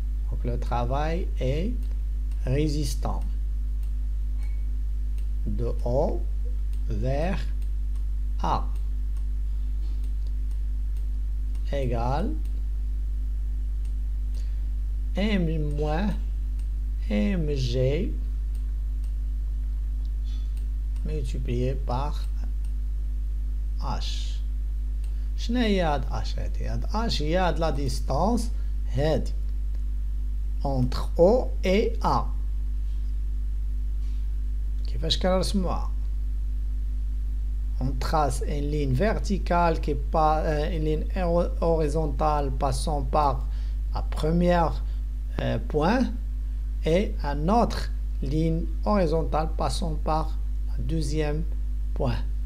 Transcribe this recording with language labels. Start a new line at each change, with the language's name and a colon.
French: Donc le travail est résistant de O vers A égal M moins MG multiplié par h.
Arabic: شنو هي هاد h؟ هادي هاد h هي هاد لا ديستانس هادي
French: entre O et A.
Arabic: كيفاش كنرسموها؟
French: On trace une ligne verticale qui passe une ligne horizontale passant par la première point et une autre ligne horizontale passant par deuxième point.